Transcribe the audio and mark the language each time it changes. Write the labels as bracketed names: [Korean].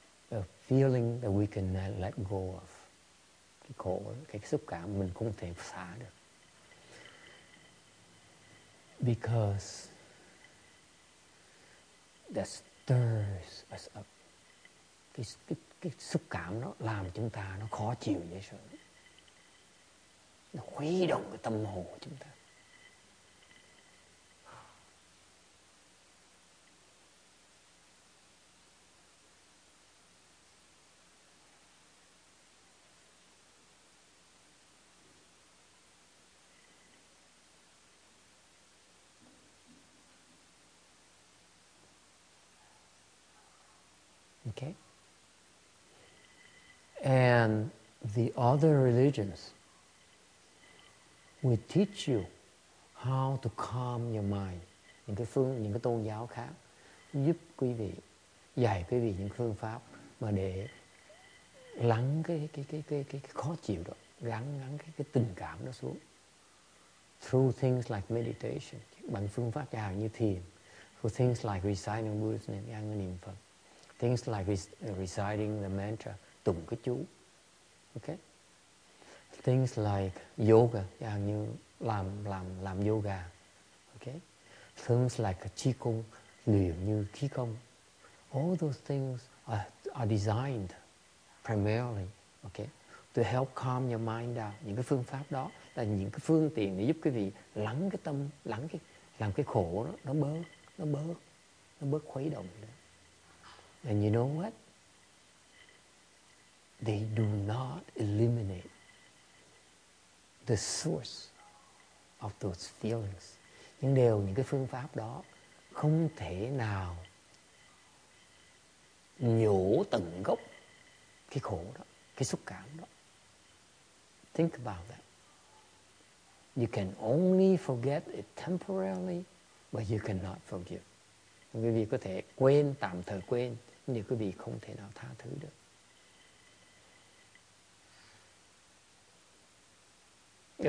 [English] A feeling that we cannot let go of. [Vietnamese] Cái khổ, cái xúc cảm mình không thể xả được. [English] Because that stirs us up. [Vietnamese] Cái xúc cảm nó làm chúng ta nó khó chịu dễ sợ. Nó khuấy động cái tâm hồn của chúng ta. [English] Okay. And the other religions will teach you how to calm your mind. [Vietnamese] Những cái phương, những cái tôn giáo khác giúp quý vị, dạy quý vị những phương pháp mà để lắng cái khó chịu đó, gắn cái tình cảm đó xuống. [English] Through things like meditation, [Vietnamese] bằng phương pháp chẳng hạn như thiền. [English] Through things like reciting Buddha's name, [Vietnamese] ăn cái niệm Phật. [English] Things like reciting the mantra, [Vietnamese] tụng cái chú. [English] Okay? Things like yoga, [Vietnamese] chẳng như làm yoga. [English] Okay? Things like qigong, [Vietnamese] luyện như khí công. [English] All those things are designed primarily, okay, to help calm your mind down. [Vietnamese] Những cái phương pháp đó là những cái phương tiện để giúp quý vị lắng cái tâm, lắng cái làm cái khổ đó, nó bớt khuấy động đó. [English] And you know what? They do not eliminate the source of those feelings. [Vietnamese] Nhưng đều những cái phương pháp đó không thể nào nhổ tận gốc cái khổ đó, cái xúc cảm đó. [English] Think about that. You can only forget it temporarily, but you cannot forgive. [Vietnamese] Quý vị có thể quên, tạm thời quên, nhưng quý vị không thể nào tha thứ được.